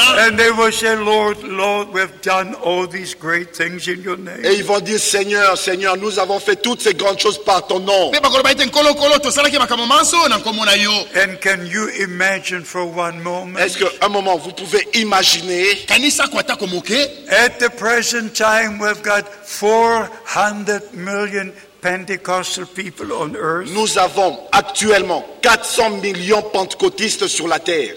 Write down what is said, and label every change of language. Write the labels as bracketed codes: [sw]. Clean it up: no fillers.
[en] And they will say, Lord, Lord, we've done all these great things in your name. [fr] Et ils vont dire, Seigneur, Seigneur, nous avons fait toutes ces grandes choses par ton nom. [en] And can you imagine for one moment? [fr] Est-ce que un moment vous pouvez imaginer? [en] At the present time, we've got 400 million Pentecostal people on earth. [fr] Nous avons actuellement 400 millions pentecôtistes sur la terre.